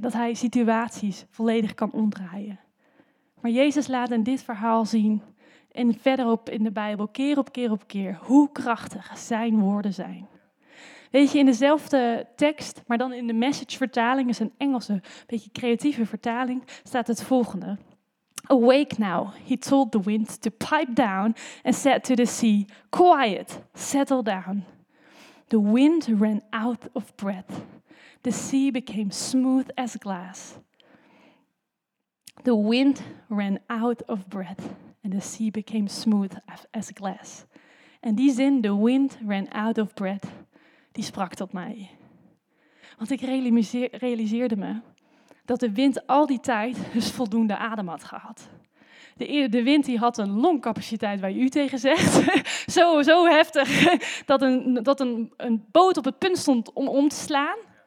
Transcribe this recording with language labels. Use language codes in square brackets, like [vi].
[nl] Dat hij situaties volledig kan omdraaien. Maar Jezus laat in dit verhaal zien en verderop in de Bijbel keer op keer op keer hoe krachtig zijn woorden zijn. Weet je, in dezelfde tekst, maar dan in de Message-vertaling, is een Engelse, een beetje creatieve vertaling, staat het volgende. [en] Awake now, he told the wind to pipe down and said to the sea, quiet, settle down. The wind ran out of breath. The sea became smooth as glass. The wind ran out of breath and the sea became smooth as glass. [nl] En die zin, [en] the wind ran out of breath, [nl] die sprak tot mij. Want ik realiseerde me dat de wind al die tijd dus voldoende adem had gehad. De wind die had een longcapaciteit waar je u tegen zegt. zo heftig dat een boot op het punt stond om om te slaan.